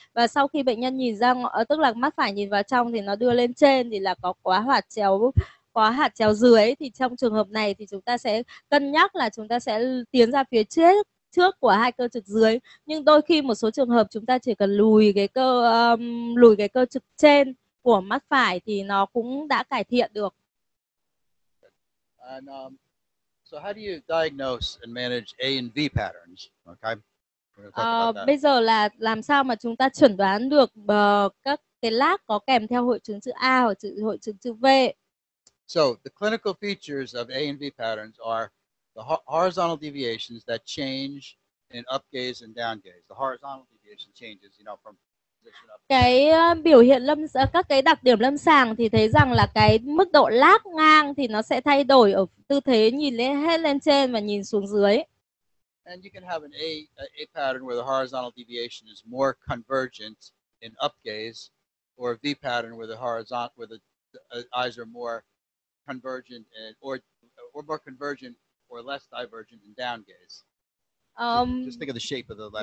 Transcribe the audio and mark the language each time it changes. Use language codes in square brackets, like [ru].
[vi] Và sau khi bệnh nhân nhìn ra, tức là mắt phải nhìn vào trong thì nó đưa lên trên thì là có quá hạt chéo dưới. Thì trong trường hợp này thì chúng ta sẽ cân nhắc là chúng ta sẽ tiến ra phía trước của hai cơ trực dưới. Nhưng đôi khi một số trường hợp chúng ta chỉ cần lùi cái cơ trực trên của mắt phải thì nó cũng đã cải thiện được. [en] And, so how do you diagnose and manage A and V patterns? Okay. [vi] Bây giờ là làm sao mà chúng ta chẩn đoán được các cái lác có kèm theo hội chứng chữ A hoặc hội chứng chữ V? [en] So the clinical features of A and V patterns are the horizontal deviations that change in up gaze and down gaze. The horizontal deviation changes, you know, from [vi] cái biểu hiện lâm các cái đặc điểm lâm sàng thì thấy rằng là cái mức độ lác ngang thì nó sẽ thay đổi ở tư thế nhìn lên hết lên trên và nhìn xuống dưới. [en] And you can have an A pattern where the horizontal deviation is more convergent in up gaze, or a V pattern where the horizontal where the eyes are more convergent and or more convergent or less divergent in down gaze. Just think of the shape of the letters.